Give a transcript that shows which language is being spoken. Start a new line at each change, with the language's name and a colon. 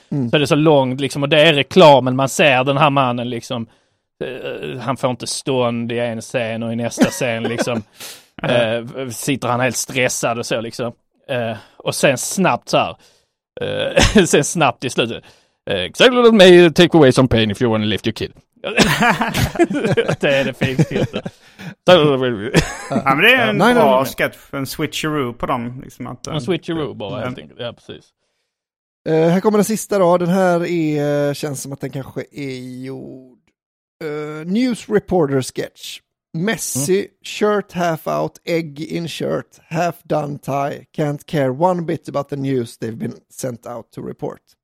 Swedish: Så det är så långt liksom, och det är reklamen man ser den här mannen liksom, han får inte stånd i en scen och i nästa scen liksom. Sitter han helt stressad och så liksom. Och sen snabbt så här. Sen snabbt i slutet.
English: Exactly, it may take away some pain if you want to lift your kid.
Swedish: Det är det finstilta. Ja, men det är en bra sketch, en switcheroo på dem. Liksom, att, en switcheroo bara, helt enkelt. Ja, precis. Här kommer den sista då. Den här känns som att den kanske är gjord.
English: News reporter sketch. Messi, shirt half out, egg in shirt, half done tie, can't care one bit about the news they've been sent out to report.